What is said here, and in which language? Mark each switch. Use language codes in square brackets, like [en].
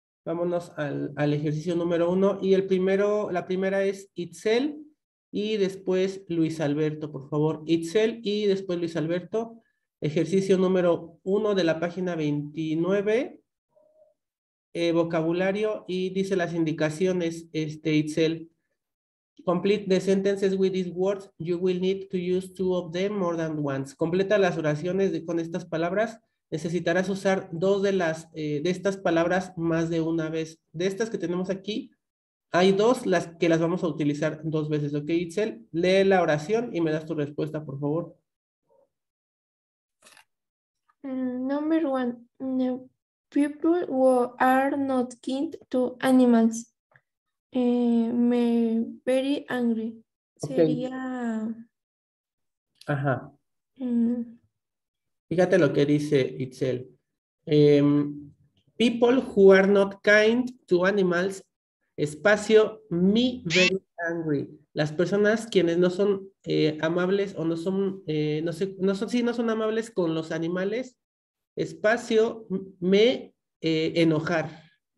[es] Vámonos al ejercicio número uno. Y la primera es Itzel y después Luis Alberto, por favor. Itzel y después Luis Alberto. Ejercicio número uno de la página 29, vocabulario y dice las indicaciones, Itzel. [en] Complete the sentences with these words. You will need to use two of them more than once. [es] Completa las oraciones con estas palabras. Necesitarás usar dos de estas palabras más de una vez. De estas que tenemos aquí, hay dos que las vamos a utilizar dos veces. Ok, Itzel, lee la oración y me das tu respuesta, por favor. [en] Number one, the people who are not kind to animals. Me very angry. Okay. [es] Sería Ajá. Fíjate lo que dice Itzel. [en] People who are not kind to animals, espacio, me very angry. [es] Las personas quienes no son amables o no son, no sé, no son, sí, no son amables con los animales, espacio, me enojar.